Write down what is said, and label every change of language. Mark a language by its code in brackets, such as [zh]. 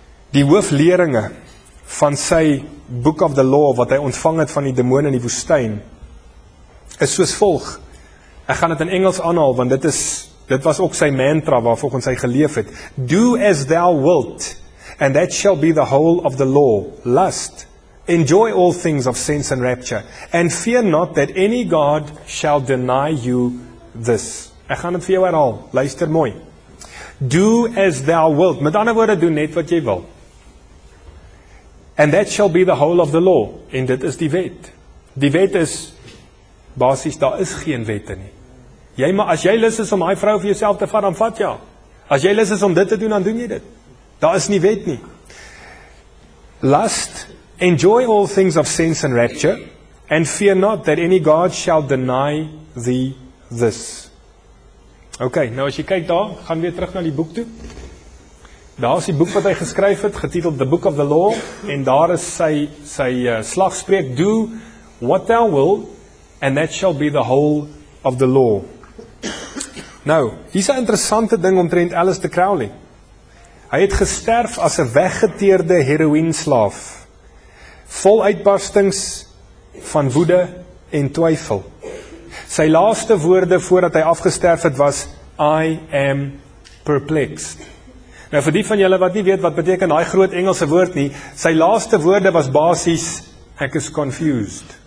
[af] Die hoofleringe van sy Book of the Law wat hy ontvang het van die demone in die woestyn is soos volg. Ek gaan dit in Engels aanhaal want dit was ook sy mantra waarvolgens hy geleef het. [en] Do as thou wilt and that shall be the whole of the law. Lust, enjoy all things of sense and rapture and fear not that any god shall deny you this. [af] Ek gaan dit vir jou herhaal. Luister mooi. [en] Do as thou wilt. [af] Met ander woorde, doe net wat jy wil. [en] And that shall be the whole of the law. [af] En dit is die wet. Die wet is, basis, daar is geen wette nie. Jy maar, as jy lus is om hy vrou vir jouself te vat, dan vat jou. As jy lus is om dit te doen, dan doen jy dit. Daar is nie wet nie. [en] Lust, enjoy all things of sense and rapture, and fear not that any god shall deny thee this. [af] Ok, nou as jy kyk daar, gaan weer terug na die boek toe. Daar is die boek wat hy geskryf het, getiteld The Book of the Law, en daar is sy slagspreek, [en] Do what thou wilt, and that shall be the whole of the law. [af] Nou, hier is een interessante ding omtrent Aleister Crowley. Hy het gesterf as 'n weggeteerde heroïnslaaf, vol uitbarstings van woede en twyfel. Sy laaste woorde voordat hy afgesterf het was, [en] I am perplexed. [af] Nou vir die van julle wat nie weet wat beteken daai groot Engelse woord nie, sy laaste woorde was basies, ek is confused.